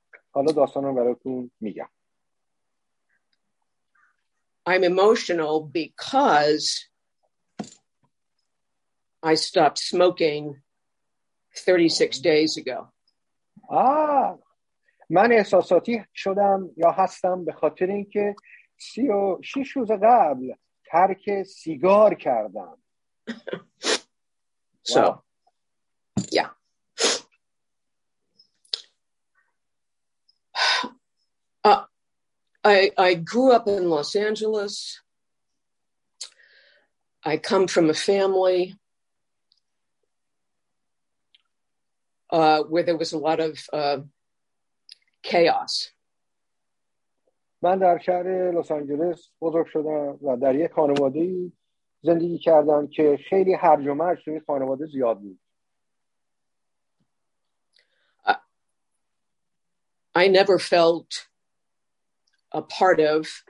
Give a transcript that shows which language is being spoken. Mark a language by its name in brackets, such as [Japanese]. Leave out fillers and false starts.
[Persian] حالا داستانم براتون میگم. [English] I'm emotional because I stopped smoking 36 days ago. [Persian] من احساساتی شدم یا هستم به خاطر اینکه 36 روز قبل ترک سیگار کردم. [English] So wow. Yeah. I grew up in Los Angeles. I come from a family where there was a lot of chaos. [Persian] من در شهر لس آنجلس بزرگ شدم و در یک خانواده زندگی کردم که خیلی هرج و مرج توی خانواده زیاد بود. [English] I never felt a part of.